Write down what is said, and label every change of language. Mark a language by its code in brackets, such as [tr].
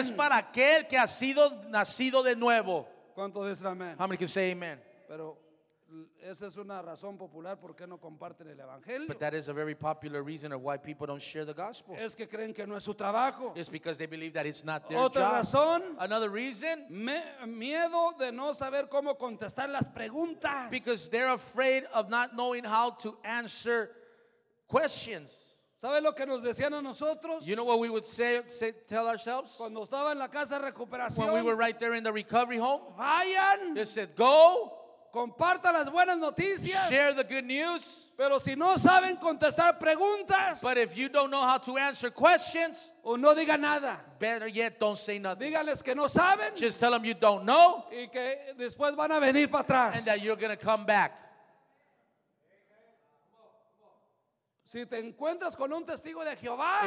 [es] Es para aquel que ha sido nacido de nuevo. ¿Cuántos dicen amén? [en] How many can say amen? [es] Pero esa es una razón popular por qué no comparten el evangelio. [en] But that is a very popular reason of why people don't share the gospel. [es] Es que creen que no es su trabajo. [en] It's because they believe that it's not their [es] otra Razón, [en] another reason. [es] Miedo de no saber cómo contestar las preguntas. [en] Because they're afraid of not knowing how to answer questions. [es] ¿Sabes lo que nos decían a nosotros? [en] You know what we would say tell ourselves? [es] Cuando estaba en la casa de recuperación. [en] When we were right there in the recovery home. [es] Vayan. [en] They said go. [es] Comparta las buenas noticias. [en] Share the good news. [es] Pero si no saben contestar preguntas. [en] But if you don't know how to answer questions. [es] O no diga nada. [en] Better yet, don't say nothing. [es] Dígales que no saben. [en] Just tell them you don't know. [es] Y que después van a venir para atrás. [en] And that you're going to come back. [es] Si te encuentras con un testigo de Jehová,